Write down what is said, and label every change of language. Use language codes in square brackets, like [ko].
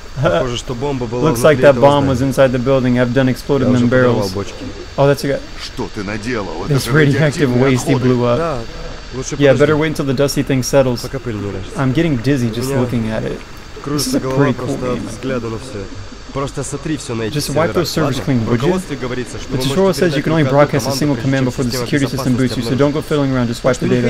[en] Looks like that bomb was inside the building. I've done exploding them barrels. Oh, that's a guy. This radioactive waste he blew up. Yeah, better wait until the dusty thing settles. I'm getting dizzy just looking at it. [ru] Кружится голова просто от взгляда на все. Просто сотри все на эти сервера. [en] Just wipe those servers clean, would you? [ru] Говорится, что [en] the tutorial says you can only broadcast a single command before the security system boots you, so don't go fiddling around, just wipe the data.